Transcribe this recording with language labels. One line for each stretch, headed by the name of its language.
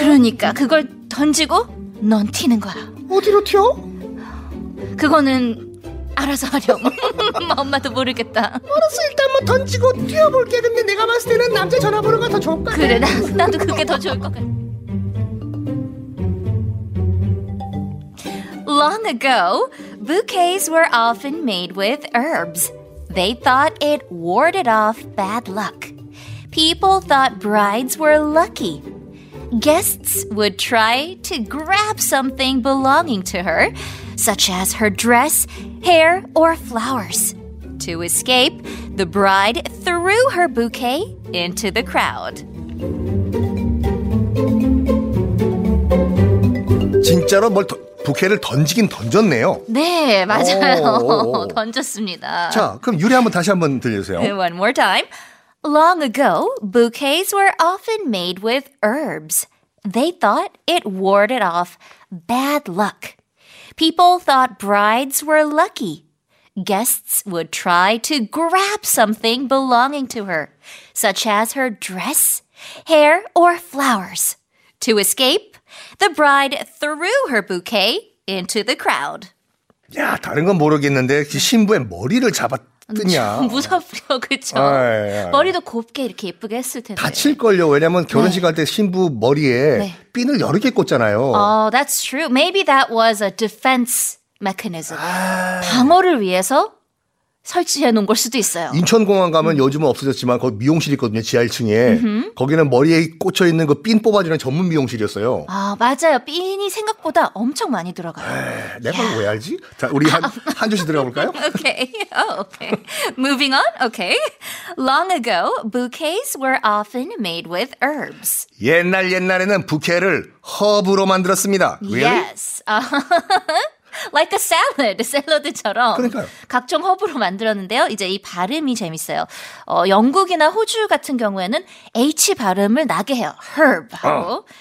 Korean: 그러니까 그걸 던지고 넌 튀는 거야. 어디로 튀어? 그거는 알아서 하렴. 엄마도 모르겠다. 알았어, 일단 뭐 던지고 뛰어볼게. 근데 내가 봤을 때는 남자 전화번호가 더 좋을 것 같아. 그래, 나도 그게 더 좋을 것 같아.
English: Long ago, bouquets were often made with herbs. They thought it warded off bad luck. People thought brides were lucky. Guests would try to grab something belonging to her, such as her dress, hair, or flowers. To escape, the bride threw her bouquet into the crowd.
Korean: 진짜로 뭘 부케를 던지긴 던졌네요. 네, 맞아요. 던졌습니다. 자, 그럼 유리 한번 다시 한번 들려주세요.
English: One more time. Long ago, bouquets were often made with herbs. They thought it warded off bad luck. People thought brides were lucky. Guests would try to grab something belonging to her, such as her dress, hair, or flowers. To escape, the bride threw her bouquet into the crowd.
Korean: 야, 다른 건 모르겠는데 신부의 머리를 잡았더냐. 무섭죠, 그렇죠? 아, 예, 예. 머리도 곱게 이렇게 예쁘게 했을 텐데. 다칠걸요. 왜냐하면 결혼식 갈 때 네. 신부 머리에 네. 핀을 여러 개 꽂잖아요.
English: Oh, that's true. Maybe that was a defense mechanism. 아.
Korean: 방어를 위해서 설치해 놓은 걸 수도 있어요. 인천공항 가면 요즘은 없어졌지만 거기 미용실이 있거든요. 지하 1층에. 거기는 머리에 꽂혀있는 그 핀 뽑아주는 전문 미용실이었어요. 아, 맞아요. 핀이 생각보다 엄청 많이 들어가요. 에이, 내가 왜 알지? 자, 우리 한 주씩 들어가 볼까요?
English: Okay. Moving on. Okay. Long ago, bouquets were often made with herbs.
Korean: 옛날에는 부케를 허브로 만들었습니다.
English: Really? Yes. Like a salad, 샐러드처럼
Korean: 그러니까요. 각종 허브로 만들었는데요. 이제 이 발음이 재밌어요. 영국이나 호주 같은 경우에는 H 발음을 나게 해요. Herb 하고.